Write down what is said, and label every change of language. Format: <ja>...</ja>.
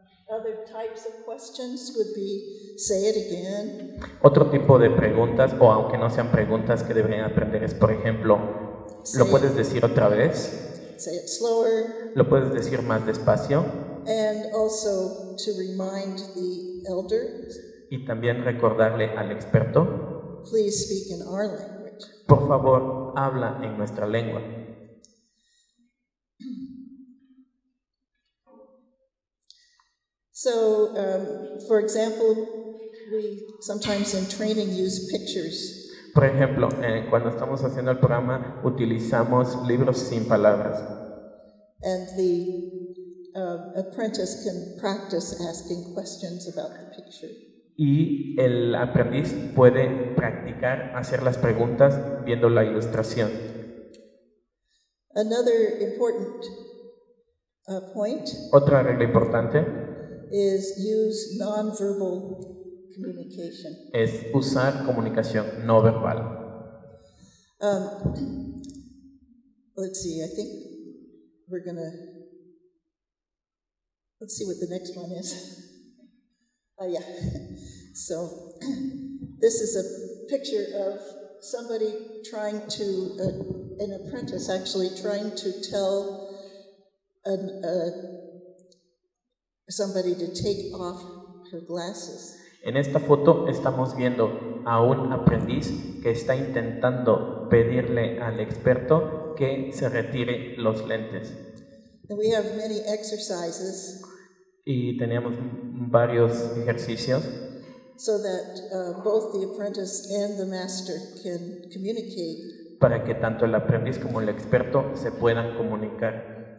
<en>Other types of questions would be, say it again.</en> <es>Otro tipo de preguntas, o aunque no sean preguntas que deberían aprender, es por ejemplo, ¿lo puedes decir otra vez?</es> <en>Say it slower.</en> <es>¿Lo puedes decir más despacio?</es> <en>And also to remind the elder.</en> <es>Y también recordarle al experto.</es> <en>Please speak in our language.</en> <es>Por favor, habla en nuestra lengua.</es> <en>So, for example, we sometimes in training use pictures.</en> <es>Por ejemplo, cuando estamos haciendo el programa, utilizamos libros sin palabras.</es> <en>And the apprentice can practice asking questions about the picture.</en> <es>Y el aprendiz puede practicar hacer las preguntas viendo la ilustración.</es> <en>Another important point.</en> <es>Otra regla importante.</es> <en>Is use non-verbal communication.</en> <es>Es usar comunicación no verbal.</es> <en>Let's see, I think we're gonna, let's see what the next one is. Yeah. So, this is a picture of somebody trying to, an apprentice actually trying to tell somebody to take off her glasses.</en> <es>En esta foto estamos viendo a un aprendiz que está intentando pedirle al experto que se retire los lentes.</es> <en>And we have many exercises.</en> <es>Y teníamos varios ejercicios.</es> <en>So that both the apprentice and the master can communicate</en> <es>para que tanto el aprendiz como el experto se puedan comunicar</es>